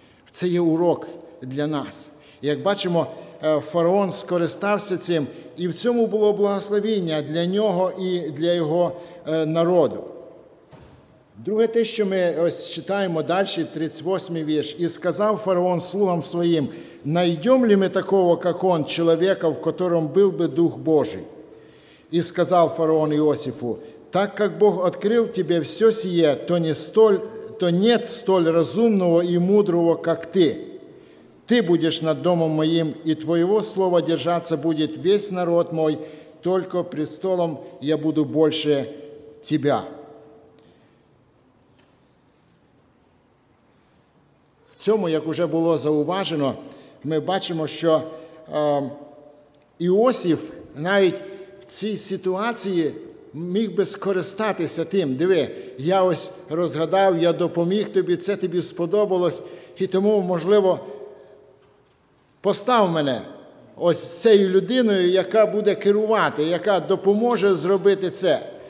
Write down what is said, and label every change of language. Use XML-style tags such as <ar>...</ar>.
<uk>Це є урок для нас. Як бачимо, фараон скористався цим, і в цьому було благословіння для нього і для його народу. Друге те, що ми ось читаємо далі, 38-й вірш. «І сказав фараон слугам своїм,</uk> <ru>найдем ли ми такого, как он, человека, в котором был бы Дух Божий? И сказал фараон Иосифу, так как Бог открыл тебе все сие, то нет столь разумного и мудрого, как ты. Ты будешь над домом моим, и твоего слова держаться будет весь народ мой, только престолом я буду больше тебя».</ru> <uk>В цьому, як уже було зауважено, ми бачимо, що Іосиф навіть в цій ситуації міг би скористатися тим. Диви, я ось розгадав, я допоміг тобі, це тобі сподобалось, і тому, можливо, постав мене ось цією людиною, яка буде керувати, яка допоможе зробити це.</uk>